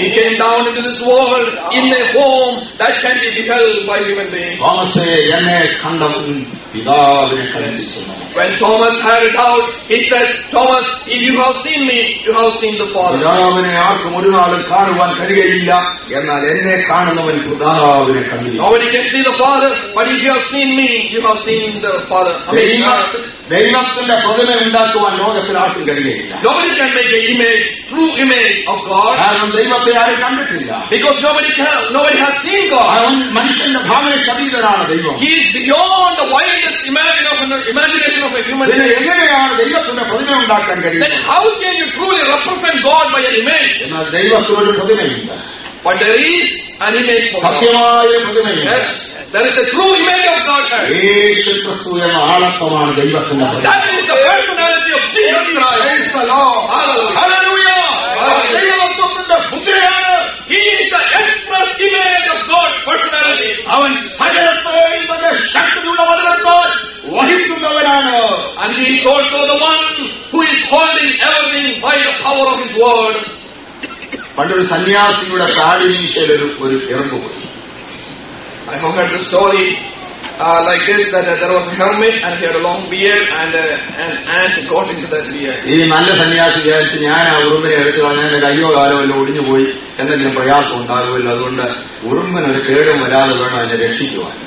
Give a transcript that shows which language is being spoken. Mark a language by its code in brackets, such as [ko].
[en] He came down into this world in a form that can be beheld by human beings. [ml] Thomas എന്നെ കണ്ടു പിതാവിനെ കണ്ടു. [en] When Thomas had it out, he said, Thomas, if you have seen me, you have seen the Father. [ml] പിതാവിനെ ആർക്കും ഒരു നാളും കാണുവാൻ കഴിയയില്ല, എന്നാൽ എന്നെ കാണുന്നവൻ പിതാവിനെ കണ്ടു. [en] Nobody can see the Father, but if you have seen me, you have seen the Father. [ml] ദൈവത്തിന്റെ പ്രതിമ ഉണ്ടാക്കുവാൻ ലോകത്തിൽ ആർക്കും കഴിയയില്ല. [en] Nobody can make an image, true image of God. [ml] കാരണം ദൈവത്തെ ആരും കണ്ടിട്ടില്ല. [en] Because nobody has seen God. [ml] മനുഷ്യന്റെ ഭാവനയ്ക്ക് അതീതനാണ് ദൈവം. [en] He is beyond the widest imagination of a human being. [ml] എങ്ങനെയാണ് ദൈവത്തിന്റെ പ്രതിമ ഉണ്ടാക്കാൻ കഴിയുന്നത്? [en] Then how can you truly represent God by an image? [ml] എന്നാൽ ദൈവത്തിനൊരു പ്രതിമയില്ല. [en] But there is an image for God. [ml] സത്യമായ പ്രതിമയില്ല. [en] There is a true image of God. [ml] യേശു ക്രിസ്തു എന്ന ആളത്വമാണ് ദൈവത്തിന്റെ. [en] That is the personality of Jesus Christ. Hallelujah. [ml] ദൈവത്വത്തിന്റെ പുത്രനാണ്. [en] He is the express image of God personality. [ml] അവൻ സകലത്തെയും ശക്തിയുള്ളവനാണ്, വഹിക്കുന്നവനാണ്. [en] And he is also the one who is holding everything by the power of his word. [ml] പണ്ടൊരു സന്യാസിയുടെ താടി മീശയിൽ ഒരു ഇറങ്ങുപോയി. [en] I forgot the story. like this, that there was a helmet and he had a long beard and an ant got into that beard.